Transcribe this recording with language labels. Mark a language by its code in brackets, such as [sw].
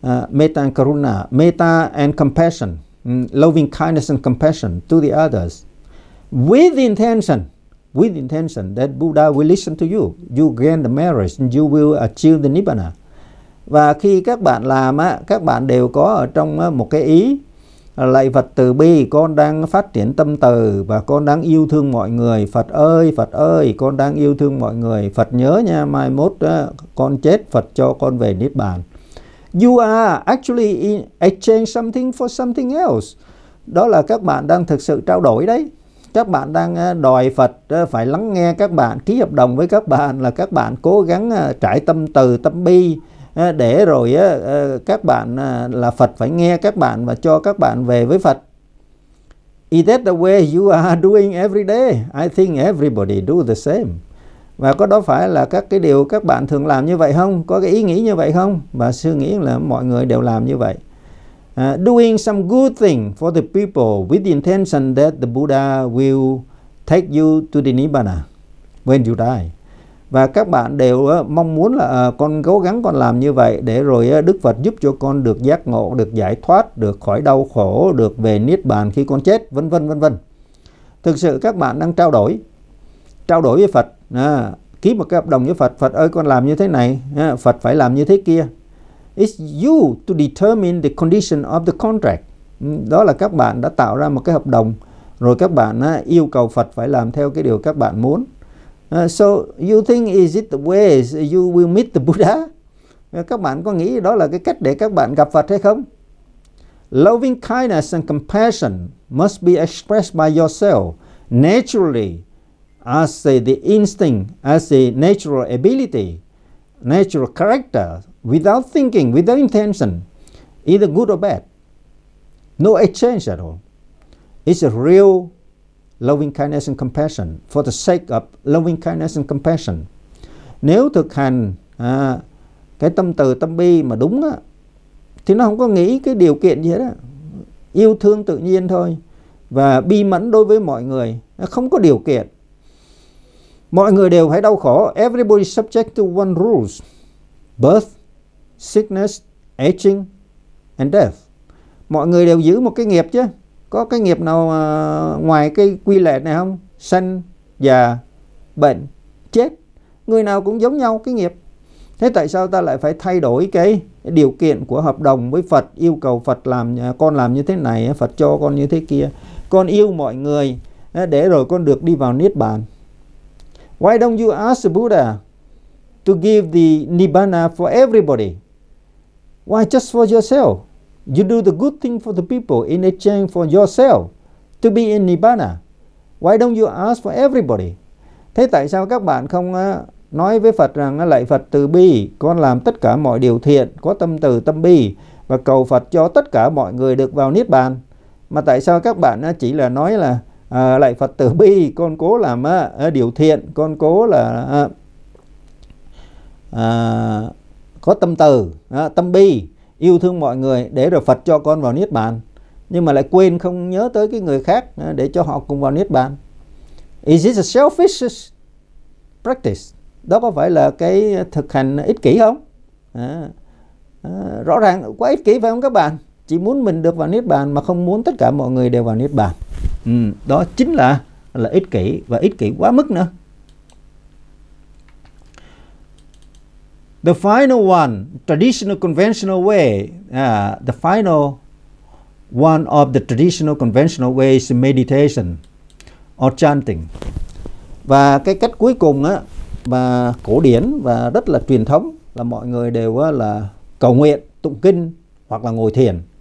[en] Metta and karuna. Metta and compassion. Loving kindness and compassion to the others. With intention that Buddha will listen to you. You gain the merit and you will achieve the nibbana. [vi] Và khi các bạn làm á, các bạn đều có ở trong một cái ý lạy Phật từ bi, con đang phát triển tâm từ và con đang yêu thương mọi người. Phật ơi, con đang yêu thương mọi người. Phật nhớ nha, mai mốt con chết, Phật cho con về Niết Bàn. [en] You are actually exchange something for something else. [vi] Đó là các bạn đang thực sự trao đổi đấy. Các bạn đang đòi Phật phải lắng nghe các bạn, ký hợp đồng với các bạn là các bạn cố gắng trải tâm từ, tâm bi. Để rồi các bạn là Phật phải nghe các bạn và cho các bạn về với Phật. [en] Is that the way you are doing every day? I think everybody do the same. [vi] Và có đó phải là các cái điều các bạn thường làm như vậy không? Có cái ý nghĩ như vậy không? Và sư nghĩ là mọi người đều làm như vậy. [en] Doing some good thing for the people with the intention that the Buddha will take you to the Nibbana when you die. [vi] Và các bạn đều mong muốn là con cố gắng con làm như vậy để rồi Đức Phật giúp cho con được giác ngộ, được giải thoát, được khỏi đau khổ, được về Niết Bàn khi con chết, vân vân vân vân. Thực sự các bạn đang trao đổi với Phật, ký một cái hợp đồng với Phật, Phật ơi con làm như thế này, Phật phải làm như thế kia. [en] It's you to determine the condition of the contract. [vi] Đó là các bạn đã tạo ra một cái hợp đồng, rồi các bạn yêu cầu Phật phải làm theo cái điều các bạn muốn. [en] So you think is it the way you will meet the Buddha? [vi] Các bạn có nghĩ đó là cái cách để các bạn gặp Phật hay không? [en] Loving kindness and compassion must be expressed by yourself naturally, as the instinct, as the natural ability, natural character, without thinking, without intention, either good or bad. No exchange at all. It's a real loving kindness and compassion for the sake of loving kindness and compassion. [vi] Nếu thực hành cái tâm từ tâm bi mà đúng á, thì nó không có nghĩ cái điều kiện gì hết á, yêu thương tự nhiên thôi và bi mẫn đối với mọi người, nó không có điều kiện. Mọi người đều phải đau khổ. [en] Everybody subject to one rules: birth, sickness, aging, and death. [vi] Mọi người đều giữ một cái nghiệp chứ. Có cái nghiệp nào ngoài cái quy lệ này không? Sanh, già, bệnh, chết. Người nào cũng giống nhau cái nghiệp. Thế tại sao ta lại phải thay đổi cái điều kiện của hợp đồng với Phật, yêu cầu Phật làm con làm như thế này, Phật cho con như thế kia. Con yêu mọi người để rồi con được đi vào Niết Bàn. [en] Why don't you ask the Buddha to give the Nibbana for everybody? Why just for yourself? You do the good thing for the people in exchange for yourself to be in Nibbana. Why don't you ask for everybody? [vi] Thế tại sao các bạn không nói với Phật rằng lạy Phật từ bi, con làm tất cả mọi điều thiện, có tâm từ tâm bi và cầu Phật cho tất cả mọi người được vào Niết Bàn? Mà tại sao các bạn chỉ là nói là lạy Phật từ bi, con cố làm điều thiện, con cố là có tâm từ, tâm bi, yêu thương mọi người để rồi Phật cho con vào Niết Bàn, nhưng mà lại quên không nhớ tới cái người khác để cho họ cùng vào Niết Bàn? [en] Is this a selfish practice? [vi] Đó có phải là cái thực hành ích kỷ không? Rõ ràng quá ích kỷ phải không các bạn? Chỉ muốn mình được vào Niết Bàn mà không muốn tất cả mọi người đều vào Niết Bàn. Đó chính là ích kỷ, và ích kỷ quá mức nữa. [en] The final one, traditional conventional way, the final one of the traditional conventional way is meditation or chanting. [vi] Và cái cách cuối cùng á, mà cổ điển và rất là truyền thống, là mọi người đều là cầu nguyện, tụng kinh hoặc là ngồi thiền.